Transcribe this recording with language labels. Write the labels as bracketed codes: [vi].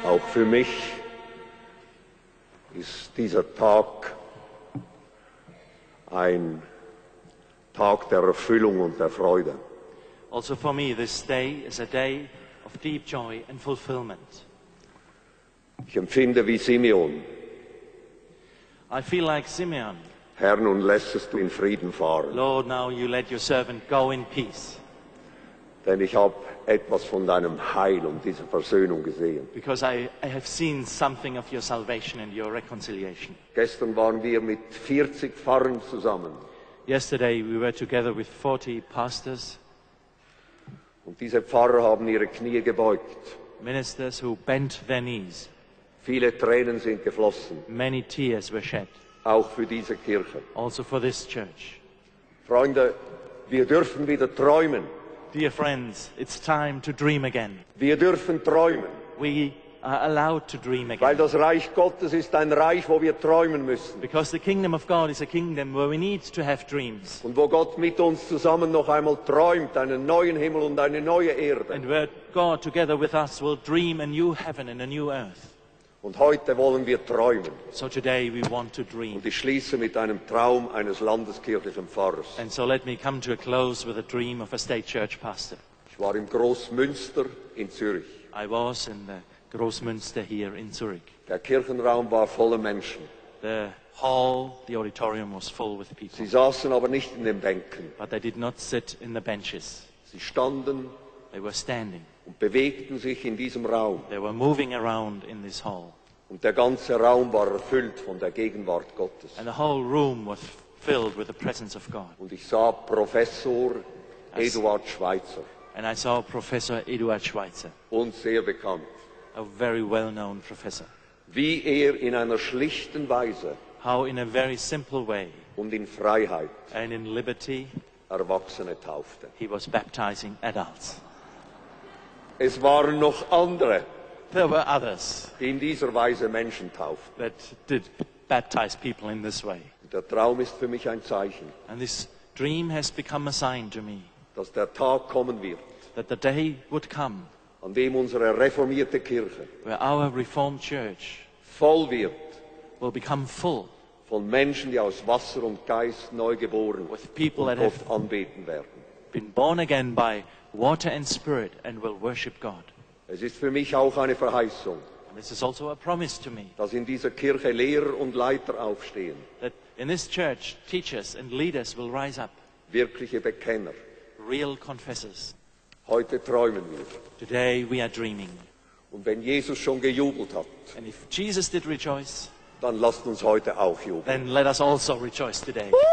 [de] Für mich ist dieser Tag ein Tag der Erfüllung und der Freude. [en] Also for me this day is a day of deep joy and fulfillment. [de] Ich empfinde wie Simeon. [en] I feel like Simeon. [de] Herr, nun lässest du in Frieden fahren. [en] Lord, now you let your servant go in peace. [de] Denn ich habe etwas von deinem Heil und dieser Versöhnung gesehen. [en] Because I have seen something of your salvation and your reconciliation. [de] Gestern waren wir mit 40 Pfarrern zusammen. [en] Yesterday we were together with 40 pastors. [de] Und diese Pfarrer haben ihre Knie gebeugt. [en] Ministers who bent their knees. [de] Viele Tränen sind geflossen. [en] Many tears were shed. [de] Auch für diese Kirche. [en] Also for this church. [de] Freunde, wir dürfen wieder träumen. [en] Dear friends, it's time to dream again. [de] Wir dürfen träumen. [en] We are allowed to dream again. [de] Weil das Reich Gottes ist ein Reich, wo wir träumen müssen. [en] Because the kingdom of God is a kingdom where we need to have dreams. [de] Und wo Gott mit uns zusammen noch einmal träumt, einen neuen Himmel und eine neue Erde. [en] And where God together with us will dream a new heaven and a new earth. [de] Und heute wollen wir träumen. [en] So today we want to dream. [de] Und ich schließe mit einem Traum eines landeskirchlichen Pfarrers. [en] And so let me come to a close with a dream of a state church pastor. [de] Ich war im Großmünster in Zürich. [en] I was in the Großmünster here in Zurich. [de] Der Kirchenraum war voller Menschen. [en] The hall, the auditorium was full with people. [de] Sie saßen aber nicht in den Bänken. [en] But they did not sit in the benches. [de] Sie standen. [en] They were standing. [de] Und bewegten sich in diesem Raum. [en] They were moving around in this hall. [de] Und der ganze Raum war erfüllt von der Gegenwart Gottes. [en] And the whole room was filled with the presence of God. [de] Und ich sah Professor Eduard Schweitzer. [en] And I saw Professor Eduard Schweitzer. [de] Uns sehr bekannt. [en] A very well-known professor. [de] Wie er in einer schlichten Weise. [en] How in a very simple way. [de] Und in Freiheit. [en] And in liberty. [de] Erwachsene taufte. [en] He was baptizing adults. [de] Es waren noch andere, [en] there were others, [de] die in dieser Weise Menschen tauften. [en] That did baptize people in this way. [de] Der Traum ist für mich ein Zeichen, [en] and this dream has become a sign to me, [de] dass der Tag kommen wird, [en] that the day would come, [de] an dem unsere reformierte Kirche, [en] where our reformed church, [de] voll wird, [en] will become full, [de] von Menschen, die aus Wasser und Geist neu geboren, [en] with people [de] und Gott anbeten werden, [en] been born again by water and spirit and will worship God. [de] Es ist für mich auch eine Verheißung, [en] and this is also a promise to me, [de] dass in dieser Kirche Lehrer und Leiter aufstehen, [en] that in this church teachers and leaders will rise up, [de] wirkliche Bekenner, [en] real confessors. [de] Heute träumen wir. [en] Today we are dreaming. [de] Und wenn Jesus schon gejubelt hat, [en] and if Jesus did rejoice, [de] dann lasst uns heute auch jubeln. [en] Then let us also rejoice today.